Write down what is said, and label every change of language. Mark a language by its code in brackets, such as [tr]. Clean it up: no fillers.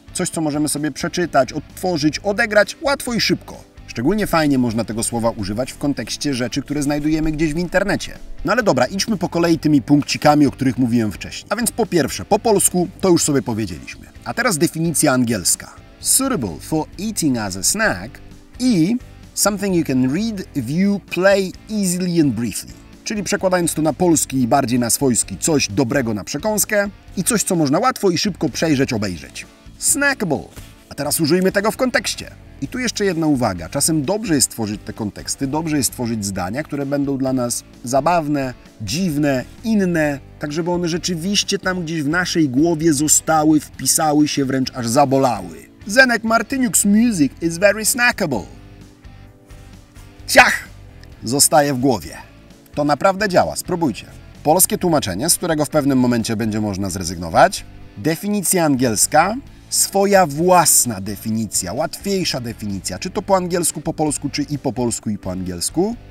[pl] Coś, co możemy sobie przeczytać, odtworzyć, odegrać łatwo i szybko. Szczególnie fajnie można tego słowa używać w kontekście rzeczy, które znajdujemy gdzieś w internecie. No ale dobra, idźmy po kolei tymi punkcikami, o których mówiłem wcześniej. A więc po pierwsze, po polsku to już sobie powiedzieliśmy. A teraz definicja angielska. [en] Suitable for eating as a snack i something you can read, view, play easily and briefly. [pl] Czyli przekładając to na polski i bardziej na swojski, coś dobrego na przekąskę i coś, co można łatwo i szybko przejrzeć, obejrzeć. Snackable. A teraz użyjmy tego w kontekście. I tu jeszcze jedna uwaga. Czasem dobrze jest tworzyć te konteksty, dobrze jest tworzyć zdania, które będą dla nas zabawne, dziwne, inne, tak żeby one rzeczywiście tam gdzieś w naszej głowie zostały, wpisały się, wręcz aż zabolały. [en] Zenek Martyniuk's music is very snackable. [pl] Ciach! Zostaje w głowie. To naprawdę działa, spróbujcie. Polskie tłumaczenie, z którego w pewnym momencie będzie można zrezygnować. Definicja angielska. Swoja własna definicja, łatwiejsza definicja, czy to po angielsku, po polsku, czy i po polsku, i po angielsku.